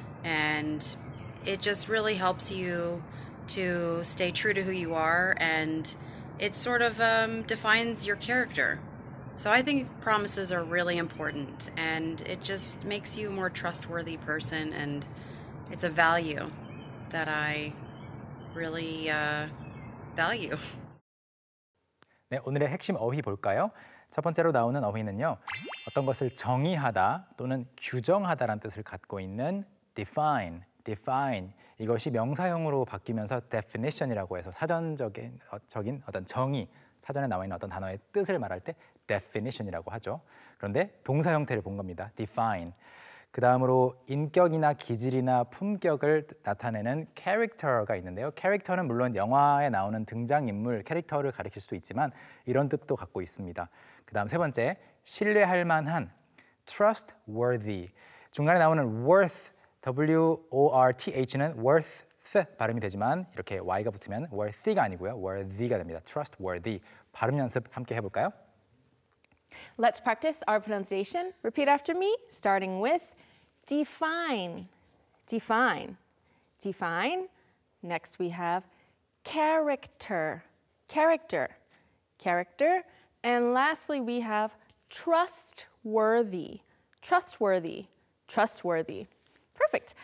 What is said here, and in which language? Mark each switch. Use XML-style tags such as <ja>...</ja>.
<en>And it just really helps you to stay true to who you are, and it sort of defines your character. So I think promises are really important, and it just makes you a more trustworthy person, and it's a value that I really value.</en> <ko>네, 오늘의 핵심 어휘 볼까요? 첫 번째로 나오는 어휘는요, 어떤 것을 정의하다 또는 규정하다라는 뜻을 갖고 있는 define. Define 이것이 명사형으로 바뀌면서 definition이라고 해서 사전적인 어떤 정의, 사전에 나와 있는 어떤 단어의 뜻을 말할 때 definition이라고 하죠. 그런데 동사 형태를 본 겁니다. Define. 그 다음으로 인격이나 기질이나 품격을 나타내는 character가 있는데요. Character는 물론 영화에 나오는 등장인물, 캐릭터를 가리킬 수도 있지만 이런 뜻도 갖고 있습니다. 그 다음 세 번째, 신뢰할 만한, trustworthy. 중간에 나오는 worth, W-O-R-T-H는 worth 발음이 되지만 이렇게 Y가 붙으면 worthy가 아니고요. worthy가 됩니다. trustworthy. 발음 연습 함께 해볼까요?</ko> <en>Let's practice our pronunciation. Repeat after me, starting with define, define, define. Next we have character, character, character. And lastly we have trustworthy, trustworthy, trustworthy. Perfect.</en>